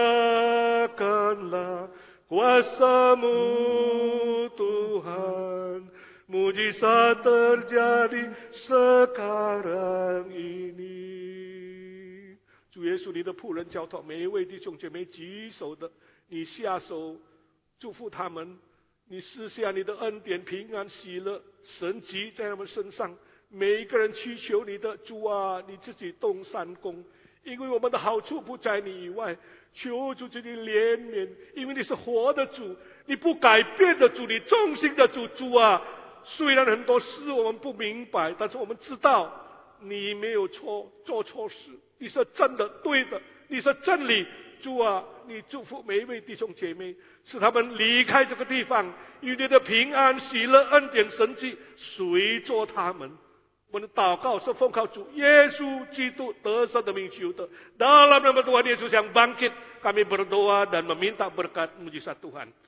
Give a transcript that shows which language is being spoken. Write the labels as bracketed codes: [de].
[id] Curahkanlah. Kuasa-Mu Tuhan, mujizat terjadi sekarang ini. [zh] 主耶稣，你的仆人交托每一位弟兄姐妹举手的，你下手祝福他们，你施下你的恩典、平安、喜乐、神迹在他们身上。每一个人祈求你的主啊，你自己动善工，因为我们的好处不在你以外。求主自己怜悯，因为你是活的主，你不改变的主，你忠心的主。主啊，虽然很多事我们不明白，但是我们知道你没有错，做错事，你是真的对的，你是真理。主啊，你祝福每一位弟兄姐妹，使他们离开这个地方，与你的平安、喜乐、恩典、神迹随着他们。我们的祷告是奉靠主耶稣基督得胜的名求的。 [id] Dalam nama Tuhan Yesus yang bangkit, kami berdoa dan meminta berkat mujizat Tuhan.